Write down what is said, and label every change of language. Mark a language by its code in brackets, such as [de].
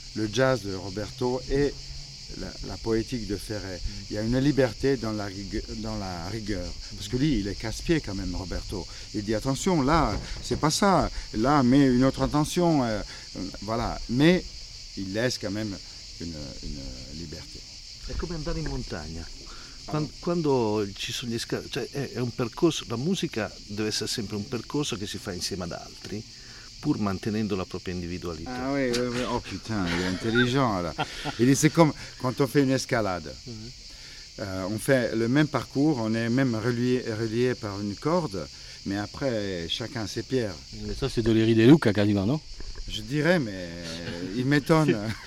[fr] Le jazz de Roberto et la poétique de Ferré. Il y a une liberté dans la rigueur. Parce que lui, il est casse-pied quand même, Roberto. Il dit, attention, là, c'est pas ça. Là, mets une autre intention. Voilà. Mais il laisse quand même une liberté. [it] È come andare in montagna. Quando ci sono gli scavi, cioè è un percorso, la musica deve essere sempre un percorso che si fa insieme ad altri, pur mantenendo la propria individualità. [fr] Ah oui, oui, oui. Oh putain, il est intelligent là. Il dit, c'est comme quand on fait une escalade. On fait le même parcours, on est même relié par une corde, mais après chacun ses pierres. Mais ça c'est de l'Eri de Luca quasiment, non? Je dirais, mais il m'étonne.